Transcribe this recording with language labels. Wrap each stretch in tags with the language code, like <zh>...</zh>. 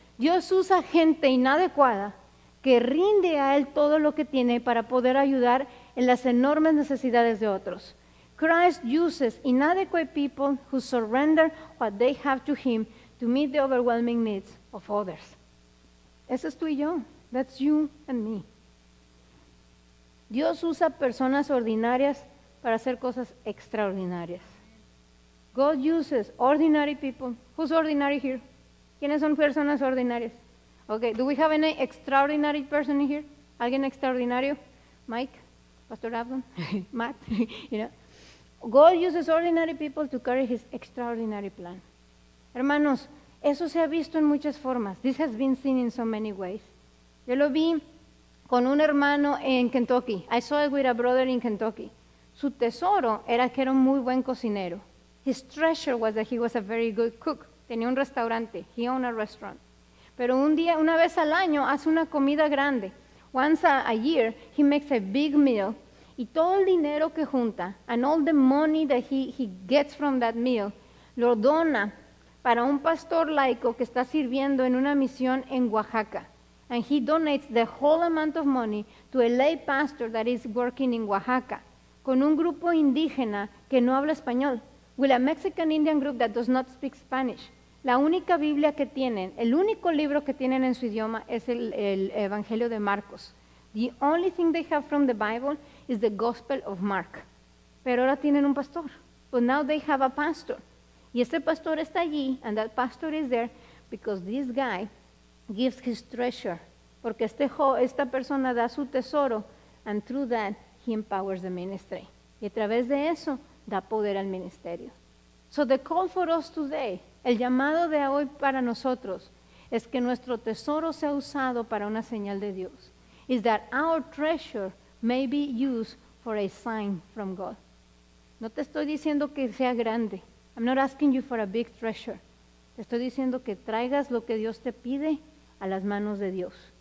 <es>Dios usa gente inadecuada que rinde a Él todo lo que tiene para poder ayudar en las enormes necesidades de otros.</es> <en>Christ uses inadequate people who surrender what they have to Him to meet the overwhelming needs of others.</en> <es>Ese es tú y yo.</es> <en>That's you and me.</en> <es>Dios usa personas ordinarias para hacer cosas extraordinarias.</es> <en>God uses ordinary people. Who's ordinary here?</en> <es>¿Quiénes son personas ordinarias?</es> <en>Okay, do we have any extraordinary person here?</en> <es>¿Alguien extraordinario?</es> <en>Mike, Pastor Abdon, Matt, you know. God uses ordinary people to carry his extraordinary plan.</en> <es>Hermanos, eso se ha visto en muchas formas.</es> <en>This has been seen in so many ways.</en> <es>Yo lo vi con un hermano en Kentucky.</es> <en>I saw it with a brother in Kentucky.</en> <es>Su tesoro era que era un muy buen cocinero.</es> <en>His treasure was that he was a very good cook.</en> <es>Tenía un restaurante.</es> <en>He owned a restaurant.</en> <es>Pero un día, una vez al año, hace una comida grande.</es> <en>Once a year, he makes a big meal.</en> <es>Y todo el dinero que junta,</es> <en>and all the money that he gets from that meal,</en> <es>lo dona para un pastor laico que está sirviendo en una misión en Oaxaca.</es> <en>And he donates the whole amount of money to a lay pastor that is working in Oaxaca,</en> <es>con un grupo indígena que no habla español,</es> <en>with a Mexican Indian group that does not speak Spanish.</en> <es>La única Biblia que tienen, el único libro que tienen en su idioma es el Evangelio de Marcos.</es> <en>The only thing they have from the Bible is the Gospel of Mark.</en> <es>Pero ahora tienen un pastor.</es> <en>But now they have a pastor.</en> <es>Y ese pastor está allí,</es> <en>and that pastor is there because this guy gives his treasure.</en> <es>Porque esta persona da su tesoro,</es> <en>and through that, he empowers the ministry.</en> <es>Y a través de eso, da poder al ministerio.</es> <en>So the call for us today,</en> <es>el llamado de hoy para nosotros, es que nuestro tesoro sea usado para una señal de Dios.</es> <en>Is that our treasure may be used for a sign from God.</en> <es>No te estoy diciendo que sea grande.</es> <en>I'm not asking you for a big treasure.</en> <es>Te estoy diciendo que traigas lo que Dios te pide a las manos de Dios.</es>